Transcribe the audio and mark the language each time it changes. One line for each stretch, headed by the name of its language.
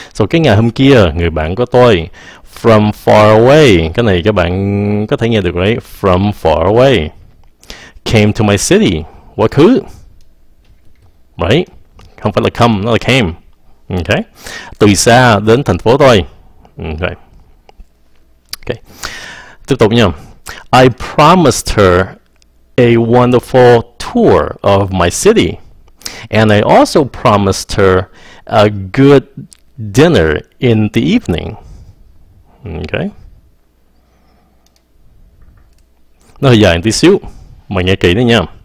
Vietnamese: So, cái ngày hôm kia, người bạn của tôi,
English: from far away,
Vietnamese: cái này các bạn có thể nghe được, right?
English: From far away, came to my city,
Vietnamese: quá khứ,
English: right?
Vietnamese: Không phải là come, nó là came, okay? Từ xa đến thành phố tôi, okay? Okay, tiếp tục nha.
English: I promised her a wonderful tour of my city, and I also promised her a good dinner in the evening. Okay.
Vietnamese: Nó hơi dài tí xíu, mà nghe kỹ nữa nha.